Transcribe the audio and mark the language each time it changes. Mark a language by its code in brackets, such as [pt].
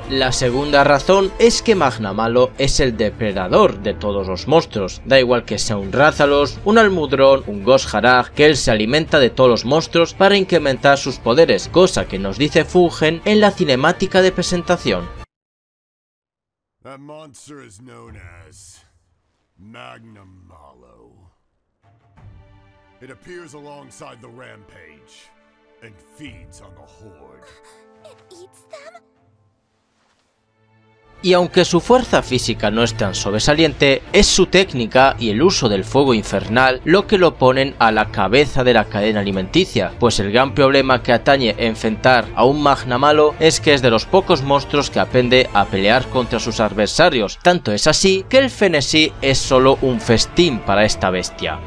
[es] La segunda razón es que Magnamalo es el depredador de todos los monstruos, da igual que sea un Rathalos, un Almudrón, un Gosharag, que él se alimenta de todos los monstruos para incrementar sus poderes, cosa que nos dice Fugen en la cinemática de presentación. [en] That monster is known as Magnamalo. It appears alongside the rampage and feeds on the horde. It eats them? [es] Y aunque su fuerza física no es tan sobresaliente, es su técnica y el uso del fuego infernal lo que lo ponen a la cabeza de la cadena alimenticia, pues el gran problema que atañe enfrentar a un Magnamalo es que es de los pocos monstruos que aprende a pelear contra sus adversarios, tanto es así que el Fenesí es solo un festín para esta bestia.